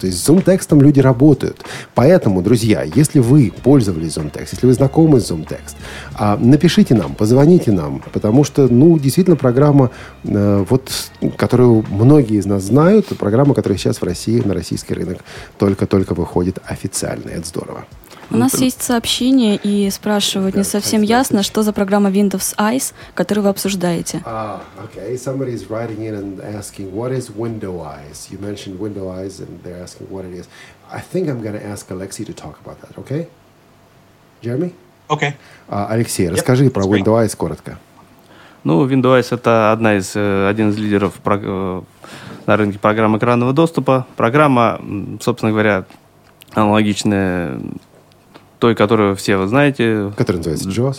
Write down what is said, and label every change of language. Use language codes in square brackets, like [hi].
[ru] То есть с ZoomText'ом люди работают. Поэтому, друзья, если вы пользовались ZoomText, если вы знакомы с ZoomText, напишите нам, позвоните нам, потому что, ну, действительно, программа, вот, которую многие из нас знают, программа, которая сейчас в России, на российский рынок, только-только выходит официально. Это здорово. У нас есть сообщение, и спрашивают, не совсем ясно, что за программа Windows Eyes, которую вы обсуждаете. [en] Okay, somebody is writing in and asking, what is Windows Eyes? You mentioned Windows Eyes, and they're asking what it is. I think I'm going to ask Alexei to talk about that, okay? Jeremy? Okay. [ru] Алексей, расскажи про Windows Eyes коротко. Ну, Windows Eyes — это один из лидеров на рынке программ экранного доступа. Программа, собственно говоря, аналогичная той, которую все вы знаете. Которая называется JAWS.